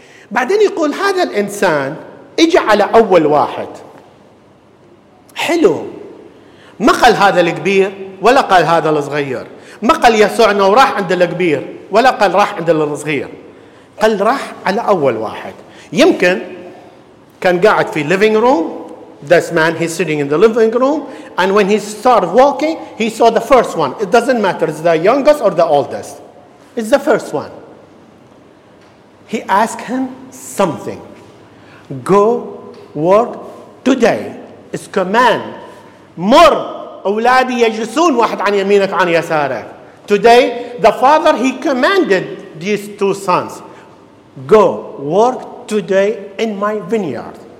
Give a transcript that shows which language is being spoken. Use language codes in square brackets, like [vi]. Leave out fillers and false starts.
[ar] بعدين يقول هذا الإنسان اجى على أول واحد حلو، ما قال هذا الكبير ولا قال هذا الصغير، ما قال يسوع أنه راح عند الكبير ولا قال راح عند الصغير، قال راح على أول واحد. يمكن كان قاعد في living room. [en] This man, he's sitting in the living room. And when he started walking, he saw the first one. It doesn't matter, is the youngest or the oldest. It's the first one. He asked him something. Go work today. It's command. [ar] مر أولادي يجلسون واحد عن يمينك عن يسارك. [en] Today, the father, he commanded these two sons. Go work today in my vineyard.